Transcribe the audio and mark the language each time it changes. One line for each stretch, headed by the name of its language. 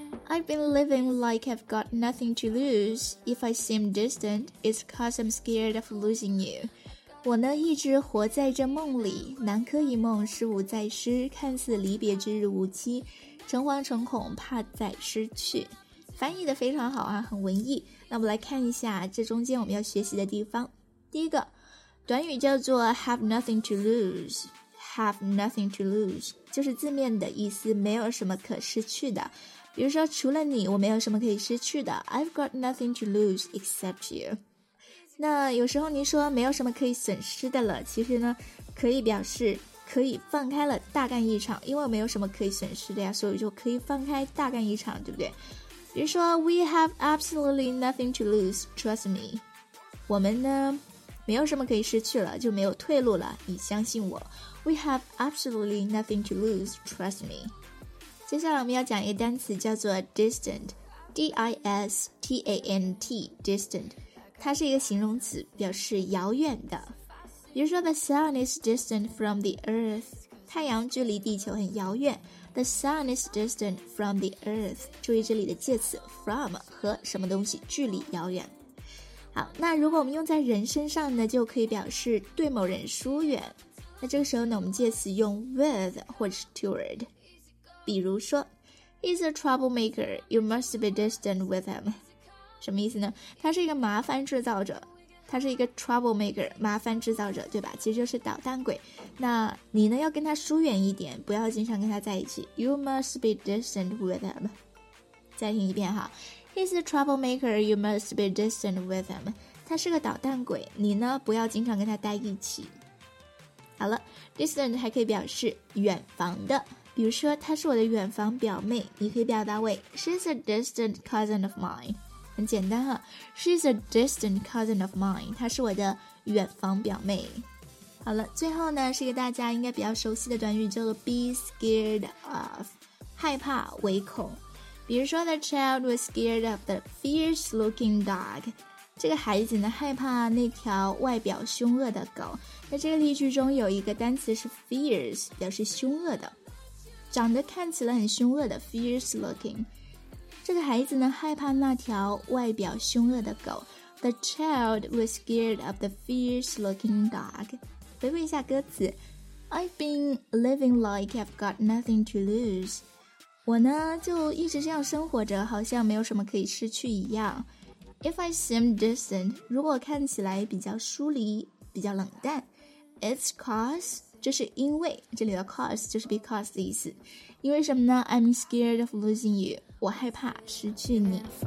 English: I've been living like I've got nothing to lose. If I seem distant, it's cause I'm scared of losing you.
Chinese: 我呢一直活在这梦里，南柯一梦，失无再失，看似离别之日无期，诚惶诚恐，怕再失去。翻译的非常好啊，很文艺。那我们来看一下这中间我们要学习的地方。第一个短语叫做
English: have nothing to lose, have nothing to lose,
Chinese: 就是字面的意思，没有什么可失去的。比如说除了你我没有什么可以失去的，
English: I've got nothing to lose except you。
Chinese: 那有时候你说没有什么可以损失的了，其实呢可以表示可以放开了大干一场，因为没有什么可以损失的呀，所以就可以放开大干一场，对不对？
English: 比如说 We have absolutely nothing to lose, trust me.
Chinese: 我们呢没有什么可以失去了，就没有退路了，你相信我。
English: We have absolutely nothing to lose, trust me.
Chinese: 接下来我们要讲一个单词叫做 distant, D-I-S-T-A-N-T, distant. 它是一个形容词，表示遥远的。
English: 比如说 The sun is distant from the earth.
Chinese: 太阳距离地球很遥远。
English: The sun is distant from the earth.
Chinese: 注意这里的介词 from 和什么东西，距离遥远。好，那如果我们用在人身上呢，就可以表示对某人疏远。那这个时候呢，我们介词用 with 或者是 toward。比如说
English: He's a troublemaker. You must be distant with him.
Chinese: 什么意思呢？他是一个麻烦制造者。他是一个 troublemaker, 麻烦制造者，对吧？其实就是捣蛋鬼。那你呢，要跟他疏远一点，不要经常跟他在一起。
English: You must be distant with him.
Chinese: 再听一遍哈。
English: He's a troublemaker, you must be distant with him.
Chinese: 他是个捣蛋鬼，你呢，不要经常跟他待一起。好了， distant 还可以表示远房的。比如说她是我的远房表妹，你可以表达为
English: She's a distant cousin of mine。
Chinese: 很简单哈，
English: She's a distant cousin of mine，
Chinese: 她是我的远房表妹。好了，最后呢是一个大家应该比较熟悉的短语，叫做
English: be scared of，
Chinese: 害怕唯恐。比如说
English: the child was scared of the fierce looking dog，
Chinese: 这个孩子呢害怕那条外表凶恶的狗。那这个例句中有一个单词是 fierce， 表示凶恶的，长得看起来很凶恶的
English: fierce looking。
Chinese: 这个孩子呢害怕那条外表凶恶的狗。
English: The child was scared of the fierce looking dog.
Chinese: 回顾一下歌词。
English: I've been living like I've got nothing to lose.
Chinese: 我呢就一直这样生活着，好像没有什么可以失去一样。
English: If I seem distant,
Chinese: 如果看起来比较疏离比较冷淡。
English: It's cause,
Chinese: 这是因为，这里的 cause 就是 because 的意思。因为什么呢？
English: I'm scared of losing you，
Chinese: 我害怕失去你。